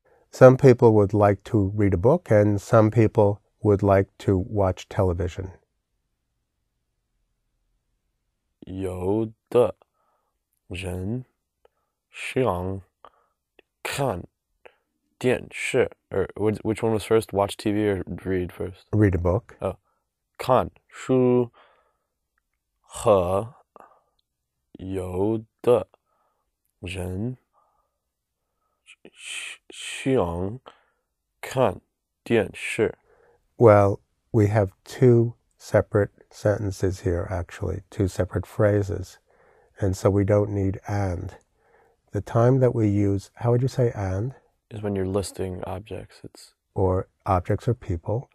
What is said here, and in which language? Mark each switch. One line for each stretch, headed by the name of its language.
English: Some people would like to read a book, and some people would like to watch television.
Chinese: 有的人想看电视
English: or which one was first, watch TV or read first? Read a book.
Chinese: 看书和有的人想看电视。
English: Well, we have two separate sentences here, actually, two separate phrases, and so we don't need and. The time that we use, how would you say and? Is when you're listing objects. It's... Or objects or people.